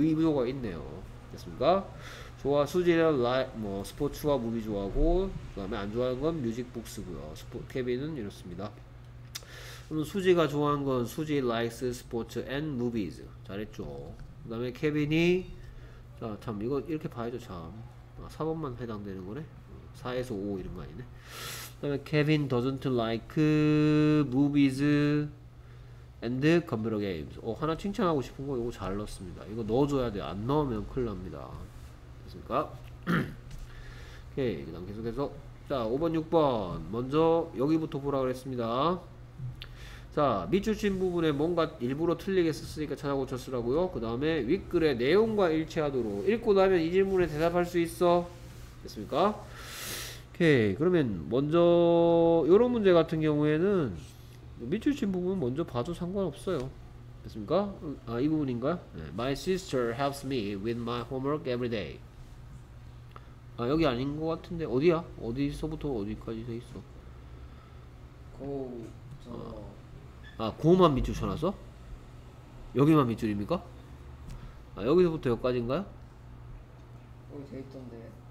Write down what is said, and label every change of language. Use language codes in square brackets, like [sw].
[ko] 의무가 있네요. 됐습니까? 좋아, 수지는 뭐 스포츠와 무비 좋아하고 그 다음에 안 좋아하는 건 뮤직북스고요. 케빈은 이렇습니다. 그럼 수지가 좋아하는 건 수지 likes sports and movies. 잘했죠. 그 다음에 케빈이, 자, 참 이거 이렇게 봐야죠. 참 4번만 해당되는 거네. 4에서 5 이런 거 아니네. [en] 그 다음에 케빈 doesn't like movies and computer games. [ko] 어, 하나 칭찬하고 싶은 거 이거 잘 넣었습니다. 이거 넣어줘야 돼. 안 넣으면 큰일 납니다. 됐습니까? 오케이. 그 다음 계속해서. 자, 5번, 6번. 먼저 여기부터 보라 그랬습니다. 자, 밑줄 친 부분에 뭔가 일부러 틀리게 썼으니까 찾아 고쳤으라고요. 그 다음에 윗글에 내용과 일치하도록. 읽고 나면 이 질문에 대답할 수 있어. 됐습니까? 오케이. 그러면 먼저, 요런 문제 같은 경우에는 밑줄 친 부분 먼저 봐도 상관없어요. 됐습니까? 아, 이 부분인가요? 네. [en] My sister helps me with my homework every day. [ko] 아, 여기 아닌 것 같은데 어디야? 어디서부터 어디까지 돼 있어? 고 저 아 고만 밑줄 쳐놨어? 여기만 밑줄입니까? 아, 여기서부터 여기까지인가요? 거기 돼 있던데.